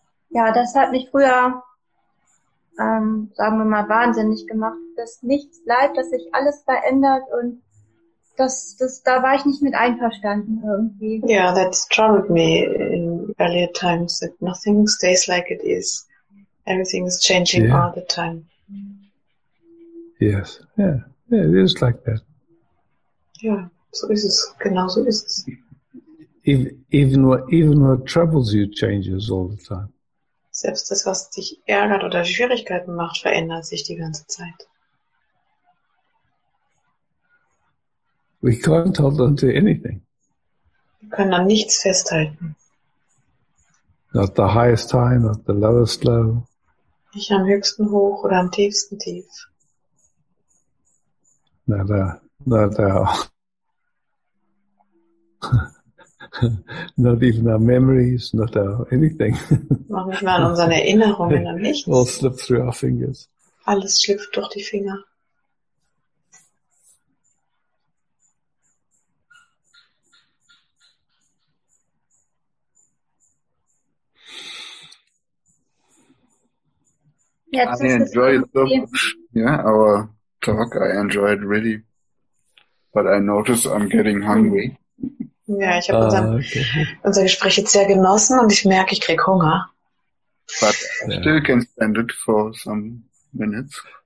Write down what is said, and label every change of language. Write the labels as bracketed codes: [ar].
[de] Ja, das hat mich früher, sagen wir mal, wahnsinnig gemacht, dass nichts bleibt, dass sich alles verändert und das da war ich nicht mit einverstanden irgendwie. [en] Yeah, that troubled me in earlier times, that nothing stays like it is. Everything is changing all the time. Yes, yeah, it is like that. Yeah, so is it, [de] genau so ist es. [en] Even what troubles you changes all the time. [de] Selbst das, was dich ärgert oder Schwierigkeiten macht, verändert sich die ganze Zeit. [en] We can't hold on to anything. [de] Wir können an nichts festhalten. [en] Not the highest high, not the lowest low. [de] Nicht am höchsten hoch oder am tiefsten tief. [en] Not even our memories, not our anything. [de] Noch nicht mal an unseren Erinnerungen, an nichts. [en] All slipped through our fingers. [de] Alles schlüpft durch die Finger. [en] Jetzt I enjoyed so much, our talk. I enjoyed really, but I notice I'm getting hungry. [de] Ja, ich habe unser Gespräch jetzt sehr genossen und ich merke, ich krieg Hunger. [en] But I still can spend it for some minutes.